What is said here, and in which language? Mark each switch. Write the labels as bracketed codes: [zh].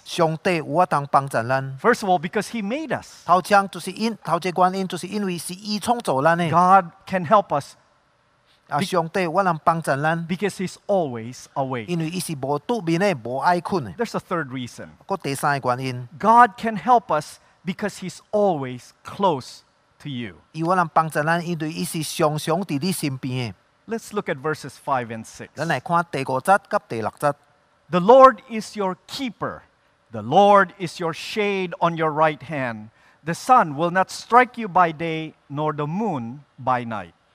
[nan] 上帝有法通帮助咱。 [en] First of all, because He made us. [nan] 头前就是因为是伊创造咱的。 [en] God can help us. [nan] 啊，上帝有法通帮助咱。 [en] Because He's always awake. [nan] 因为伊是无独眠的，无爱困的。 [en] There's a third reason. [nan] 佫第三个原因。 [en] God can help us because He's always close to you. [nan] 伊有法通帮助咱，因为伊是常常伫你身边的。 [en] Let's look at verses 5 and 6. [nan] 咱来看第五节佮第六节。 [en] The Lord is your keeper. The Lord is your shade on your right hand. The sun will not strike you by day, nor the moon by night.